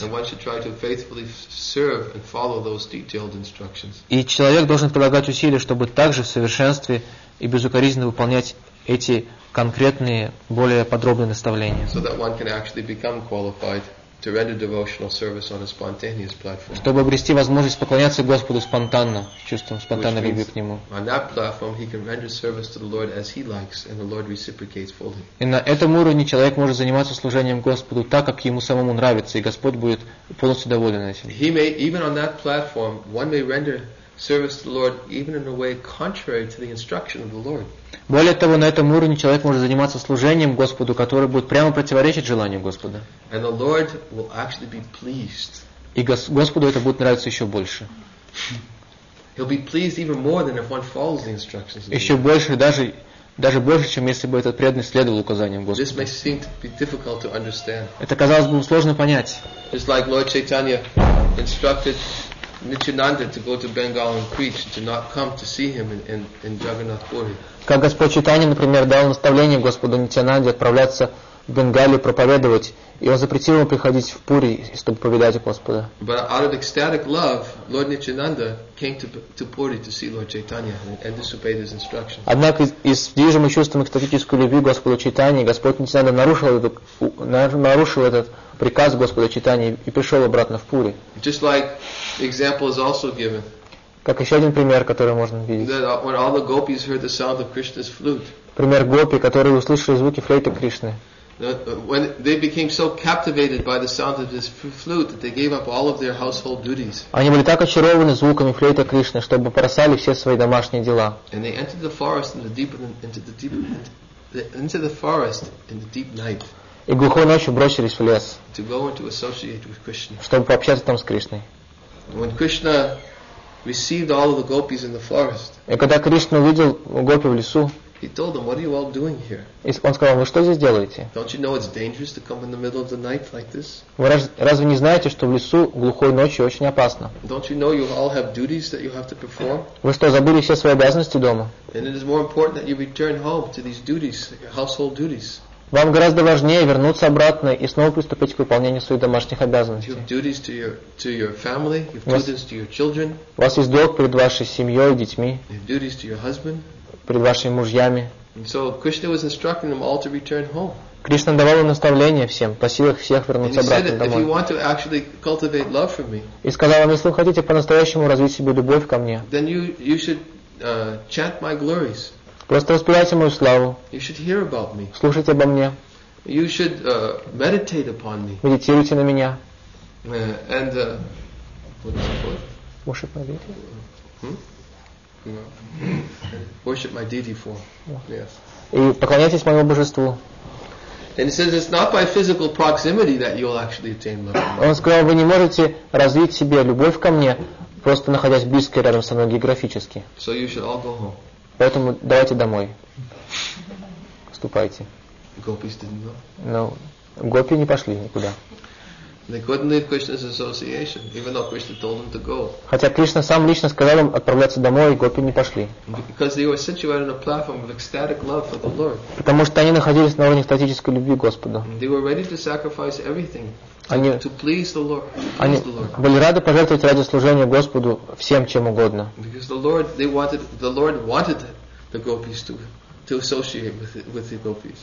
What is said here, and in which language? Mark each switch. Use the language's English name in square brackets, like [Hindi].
[Russian] И человек должен прилагать усилия, чтобы также в совершенстве и безукоризненно выполнять эти конкретные, более подробные наставления. [English] So that one can actually become qualified to render devotional service on a spontaneous platform. [Russian] Чтобы обрести возможность поклоняться Господу спонтанно, чувством спонтанной любви к Нему. [English] On that platform, he can render service to the Lord as he likes, and the Lord reciprocates fully. [Russian] И на этом уровне человек может заниматься служением Господу так, как ему самому нравится, и Господь будет полностью доволен этим. [English] He may even on that platform, one may render service to the Lord even in a way contrary to the instruction of the Lord. [Russian] Более того, на этом уровне человек может заниматься служением Господу, которое будет прямо противоречить желанию Господа. [English] And the Lord will actually be pleased. [Russian] И Господу это будет нравиться еще больше. [English] He'll be pleased even more than if one follows the instructions. [Russian] Еще больше, даже больше, чем если бы этот преданный следовал указаниям Господа. [English] This may seem to be difficult to understand. [Russian] Это казалось бы сложно понять. [English] Just like Lord Chaitanya instructed Nityananda to go to Bengal and preach, to not come to see him in Jagannath Puri. [Russian] Как Господь Чайтанья, например, дал наставление Господу Нитянанде отправляться в Бенгалию проповедовать, и он запретил ему приходить в Пури, чтобы повидать Господа. [English] But out of ecstatic love, Lord Nityananda came to Puri to see Lord Chaitanya and disobeyed his instructions. [Russian] Однако из движимого чувством экстатической любви Господу Чайтанье, Господь Нитянанда нарушил этот приказ Господа Чайтанья и пришел обратно в Пури. [English] Just like example is also given. [Russian] Как еще один пример, который можно видеть. Пример гопи, которые услышали звуки флейты Кришны. [English] When they became so captivated by the sound of his flute that they gave up all of their household duties. [Russian] Они были так очарованы звуками флейты Кришны, что бросали все свои домашние дела. [English] And they entered the forest in the deep night. [Russian] и глухой ночью бросились в лес, [English] to go and to associate with Krishna. [Russian] Чтобы пообщаться там с Кришной. [English] When Krishna received all of the gopis in the forest, [Russian] и когда Кришна увидел гопи в лесу, [English] he told them, "What are you all doing here?" [Russian] И он сказал, вы что здесь делаете? [English] Don't you know it's dangerous to come in the middle of the night like this? [Russian] Вы разве не знаете, что в лесу глухой ночью очень опасно? [English] Don't you know you all have duties that you have to perform? [Russian] Вы что, забыли все свои обязанности дома? [English] Then it is more important that you return home to these duties, your household duties. [Russian] Вам гораздо важнее вернуться обратно и снова приступить к выполнению своих домашних обязанностей. [English] You have duties to your family, you have duties to your children. [Russian] У вас есть долг перед вашей семьей, детьми. [English] You have duties to your husband. [Russian] Перед вашими мужьями. [English] And so Krishna was instructing them all to return home. [Russian] Кришна давал наставление всем, просил их всех вернуться обратно домой. [English] And he said, if you want to actually cultivate love for me, [Russian] и сказал им, если вы хотите по-настоящему развить себе любовь ко мне, [English] then you should chant my glories. [Russian] Просто воспевайте мою славу. [English] You should hear about me. [Russian] Слушайте обо мне. [English] You should meditate upon me. [Russian] Медитируйте на меня. [English] And what is it called? Worship my deity. Worship my deity for. Yes. [Russian] И поклоняйтесь моему божеству. [English] And he says it's not by physical proximity that you'll actually attain love. [Russian] Он сказал, вы не можете развить себе любовь ко мне, просто находясь близко рядом со мной географически. [English] So you should all go home. [Russian] Поэтому давайте домой. Вступайте. [English] Gopis didn't go. No. [Russian] Гопи не пошли никуда. [English] They couldn't leave Krishna's association, even though Krishna told them to go. [Russian] Хотя Кришна сам лично сказал им отправляться домой, и гопи не пошли. [English] Because they were situated on a platform of ecstatic love for the Lord. [Russian] Потому что они находились на уровне экстатической любви к Господу. [English] They were ready to sacrifice everything to please the Lord. [Russian] Они были рады пожертвовать ради служения Господу всем чем угодно. [English] Because the Lord wanted the gopis to associate with the gopis.